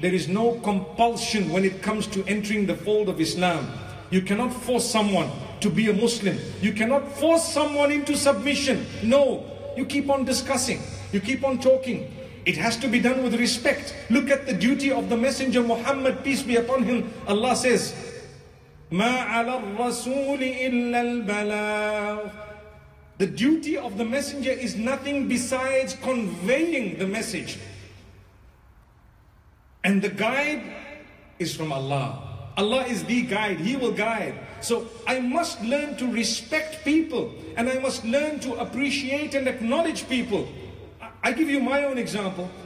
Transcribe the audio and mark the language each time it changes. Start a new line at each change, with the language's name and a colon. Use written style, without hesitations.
English: There is no compulsion when it comes to entering the fold of Islam. You cannot force someone to be a Muslim. You cannot force someone into submission. No, you keep on discussing. You keep on talking. It has to be done with respect. Look at the duty of the Messenger Muhammad, peace be upon him. Allah says,
Arabic: ما على الرسول إلا البلاغ.
English: The duty of the messenger is nothing besides conveying the message. And the guide is from Allah. Allah is the guide. He will guide. So I must learn to respect people. And I must learn to appreciate and acknowledge people. I give you my own example.